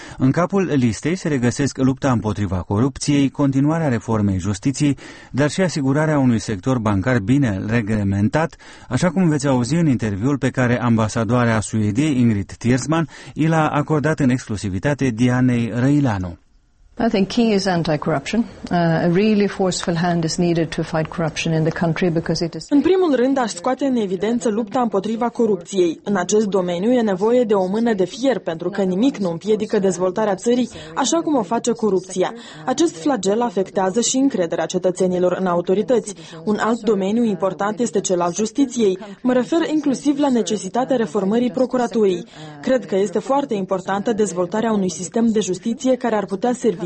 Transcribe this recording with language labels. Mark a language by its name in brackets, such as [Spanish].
[Romanian] În capul listei se regăsesc lupta împotriva corupției, continuarea reformei justiției, dar și asigurarea unui sector bancar bine reglementat, așa cum veți auzi în interviul pe care ambasadoarea Suediei, Ingrid Tiersman, i l-a acordat în exclusivitate Dianei Răilanu. [English] I think key is anti-corruption. A really forceful hand is needed to fight corruption in the country because it is. [Romanian] În primul rând, aș scoate în evidență lupta împotriva corupției. În acest domeniu e nevoie de o mână de fier, pentru că nimic nu împiedică dezvoltarea țării așa cum o face corupția. Acest flagel afectează și încrederea cetățenilor în autorități. Un alt domeniu important este cel al justiției. Mă refer inclusiv la necesitatea reformării procuraturii. Cred că este foarte importantă dezvoltarea unui sistem de justiție care ar putea servi